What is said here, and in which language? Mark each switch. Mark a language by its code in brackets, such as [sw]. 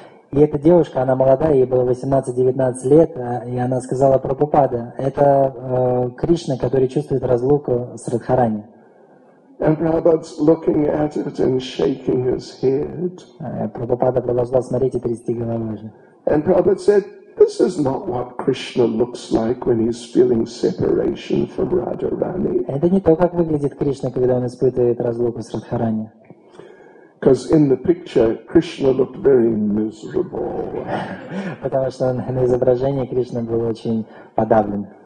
[ru] И эта девушка, она молодая, ей было 18-19 лет, и она сказала Прабхупада, это Кришна, который чувствует разлуку с Радхарани. [en] And Prabhupada's looking at it and shaking his head. [ru] Прабхупада продолжал смотреть и трясти головой же. [en] And Prabhupada said, this is not what Krishna looks like when he's feeling separation from Radharani. [ru] Это не то, как выглядит Кришна, когда он испытывает разлуку с Радхарани. [en] Because in the picture, Krishna looked very miserable. [ru] Потому что на изображении Кришна был очень подавлен.